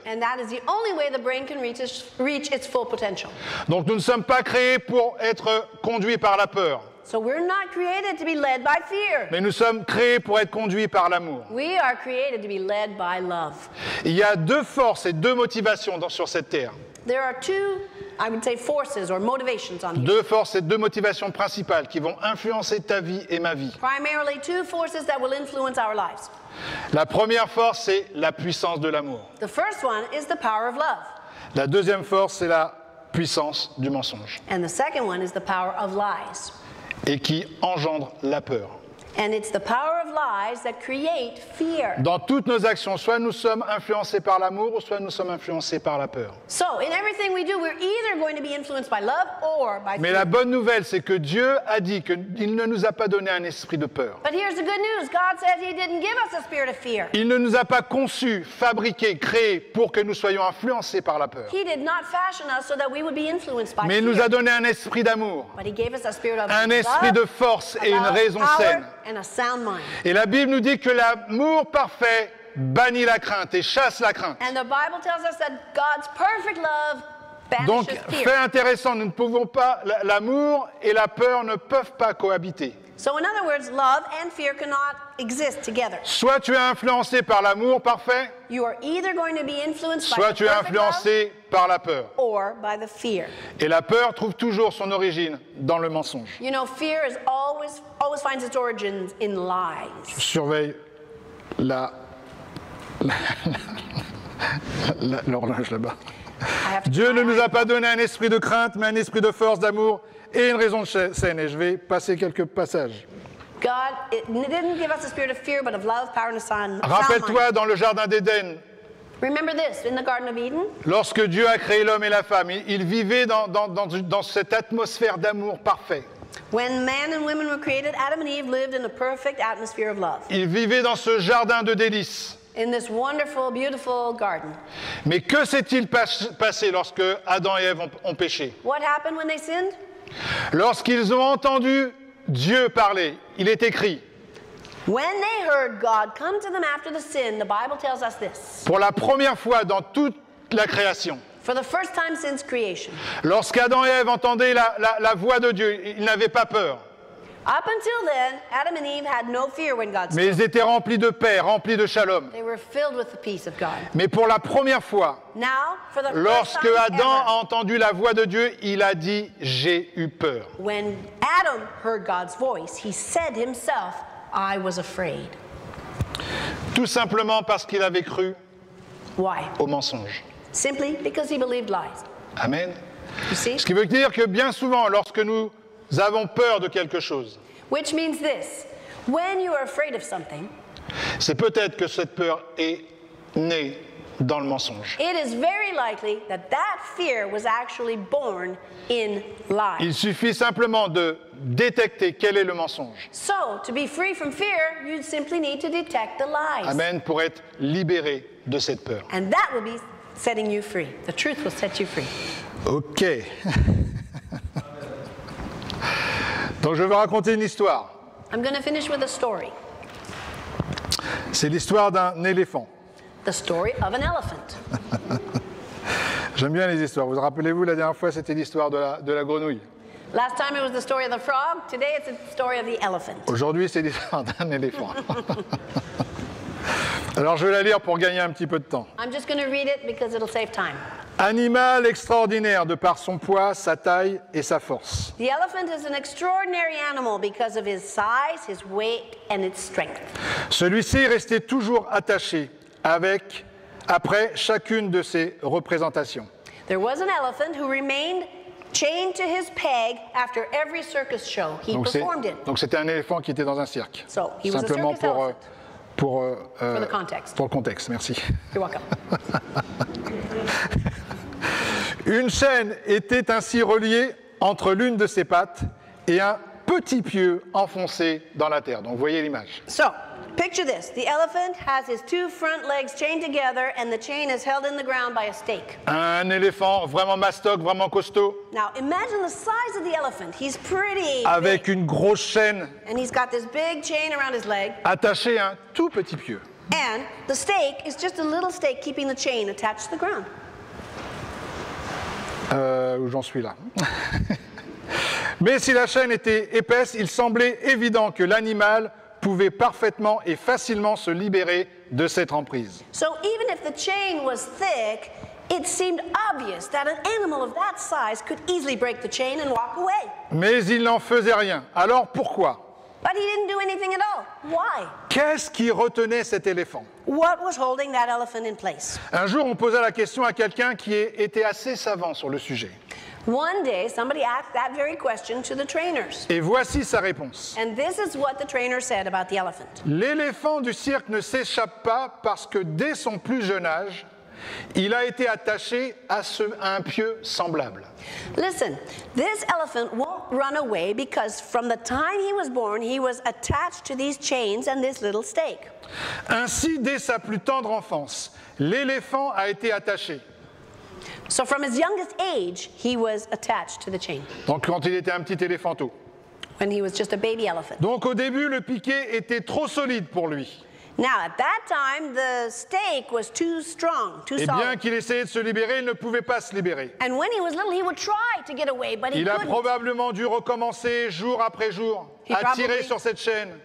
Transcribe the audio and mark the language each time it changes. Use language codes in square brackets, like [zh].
[en] And that is the only way the brain can reach its full potential. [fr] Donc nous ne sommes pas créés pour être conduits par la peur. [en] So we're not created to be led by fear. [fr] Mais nous sommes créés pour être conduits par l'amour. [en] We are created to be led by love. [fr] Il y a deux forces et deux motivations sur cette terre. [en] There are two, I would say, forces or motivations on here. [fr] Deux forces et deux motivations principales qui vont influencer ta vie et ma vie. [en] Primarily two forces that will influence our lives. [fr] La première force, c'est la puissance de l'amour. [en] The first one is the power of love. [fr] La deuxième force, c'est la puissance du mensonge. [en] And the second one is the power of lies. [fr] Et qui engendre la peur. [en] And it's the power of lies that create fear. [fr] Dans toutes nos actions, soit nous sommes influencés par l'amour, ou soit nous sommes influencés par la peur. [en] So, in everything we do, we're either going to be influenced by love or by fear. [fr] Mais la bonne nouvelle, c'est que Dieu a dit qu'il ne nous a pas donné un esprit de peur. [en] But here's the good news. God says he didn't give us a spirit of fear. [fr] Il ne nous a pas conçus, fabriqués, créés pour que nous soyons influencés par la peur. [en] He did not fashion us so that we would be influenced by fear. [fr] Mais il nous a donné un esprit d'amour. [en] But he gave us a spirit of love. [fr] Un esprit de force et une raison saine. [en] And a sound mind. [fr] Et la Bible nous dit que l'amour parfait bannit la crainte et chasse la crainte. [en] And the Bible tells us that God's perfect love banishes fear. [fr] Donc, fait intéressant, nous ne pouvons pas, l'amour et la peur ne peuvent pas cohabiter. [en] So in other words, love and fear cannot exist together. [fr] Soit tu es influencé par l'amour parfait, [en] you are either going to be influenced [fr] soit [en] by the [fr] tu es influencé [en] love, [fr] par la peur. [en] Or by the fear. [fr] Et la peur trouve toujours son origine dans le mensonge. [en] You know, fear is always finds its origins in lies. [fr] Surveille l'horloge là-bas. Dieu ne nous a pas donné un esprit de crainte, mais un esprit de force, d'amour et une raison saine. Et je vais passer quelques passages. [en] God didn't give us a spirit of fear, but of love, power, and a sound mind. [fr] Rappelle-toi dans le jardin d'Éden. [en] Remember this in the Garden of Eden. [fr] Lorsque Dieu a créé l'homme et la femme, ils vivaient dans cette atmosphère d'amour parfait. [en] When man and women were created, Adam and Eve lived in a perfect atmosphere of love. [fr] Ils vivaient dans ce jardin de délices. [en] In this wonderful, beautiful garden. [fr] Mais que s'est-il passé lorsque Adam et Ève ont péché? [en] What happened when they sinned? [fr] Lorsqu'ils ont entendu Dieu parler, il est écrit. [en] When they heard God come to them after the sin, the Bible tells us this. [fr] Pour la première fois dans toute la création. [en] For the first time since creation. [fr] Lorsqu'Adam et Ève entendaient la voix de Dieu, ils n'avaient pas peur. [en] Up until then, Adam and Eve had no fear when God spoke. [fr] Mais ils étaient remplis de paix, remplis de shalom. [en] They were filled with the peace of God. [fr] Mais pour la première fois, [en] now, for the [fr] lorsque [en] first time [fr] Adam [en] ever, [fr] a entendu la voix de Dieu, il a dit, j'ai eu peur. [en] When Adam heard God's voice, he said himself, I was afraid. [fr] Tout simplement parce qu'il avait cru [en] why? [fr] Au mensonge. [en] Simply because he believed lies. Amen. You see? [fr] Ce qui veut dire que bien souvent, lorsque nous nous avons peur de quelque chose. [en] Which means this. When you are afraid of something, [fr] c'est peut-être que cette peur est née dans le mensonge. [en] It is very likely that that fear was actually born in lies. [fr] Il suffit simplement de détecter quel est le mensonge. [en] So, to be free from fear, you simply need to detect the lies. [fr] Amen, pour être libéré de cette peur. [en] And that will be setting you free. The truth will set you free. OK. [fr] Donc je vais raconter une histoire. [en] I'm going to finish with a story. [fr] C'est l'histoire d'un éléphant. [en] The story of an elephant. [fr] J'aime bien les histoires. Vous rappelez-vous, la dernière fois, c'était l'histoire de la grenouille. [en] Last time it was the story of the frog. Today it's the story of the elephant. [fr] Aujourd'hui, c'est l'histoire d'un éléphant. Alors, je vais la lire pour gagner un petit peu de temps. [en] I'm just going to read it because it'll save time. [fr] Animal extraordinaire de par son poids, sa taille et sa force. [en] The elephant is an extraordinary animal because of his size, his weight and its strength. [fr] Celui-ci restait toujours attaché après chacune de ses représentations. [en] There was an elephant who remained chained to his peg after every circus show he performed in. [fr] Donc c'était un éléphant qui était dans un cirque. [en] So, he [fr] simplement [en] was a circus elephant. For the context. [fr] Pour le contexte, merci. [en] You're welcome. [fr] Une chaîne était ainsi reliée entre l'une de ses pattes et un petit pieu enfoncé dans la terre. Donc vous voyez l'image. [en] So, picture this. The elephant has his two front legs chained together and the chain is held in the ground by a stake. [fr] Un éléphant vraiment mastoc, vraiment costaud. [en] Now, imagine the size of the elephant. He's pretty [fr] avec [en] big. [fr] Une grosse chaîne. [en] And he's got this big chain around his leg. [fr] Attaché à un tout petit pieu. [en] And the stake is just a little stake keeping the chain attached to the ground. [fr] Où j'en suis là. Mais si la chaîne était épaisse, il semblait évident que l'animal pouvait parfaitement et facilement se libérer de cette emprise. [en] So even if the chain was thick, it seemed obvious that an animal of that size could easily break the chain and walk away. [fr] Mais il n'en faisait rien. Alors pourquoi? [en] But he didn't do anything at all. Why? [fr] Qu'est-ce qui retenait cet éléphant? [en] What was holding that elephant in place? [fr] Un jour, on posa la question à quelqu'un qui était assez savant sur le sujet. [en] One day, somebody asked that very question to the trainers. [fr] Et voici sa réponse. [en] And this is what the trainer said about the elephant. [fr] L'éléphant du cirque ne s'échappe pas parce que dès son plus jeune âge, il a été attaché à un pieu semblable. [en] Listen, this elephant won't run away because from the time he was born, he was attached to these chains and this little stake. [fr] Ainsi, dès sa plus tendre enfance, l'éléphant a été attaché. [en] So from his youngest age, he was attached to the chain. [fr] Donc quand il était un petit éléphant tôt. [en] When he was just a baby elephant. [fr] Donc au début, le piquet était trop solide pour lui. [en] Now at that time, the stake was too strong, too solid. [fr] Et bien qu'il essayait de se libérer, il ne pouvait pas se libérer. [en] And when he was little, he would try to get away, but he couldn't. [fr] Il a probablement dû recommencer jour après jour à tirer sur cette chaîne.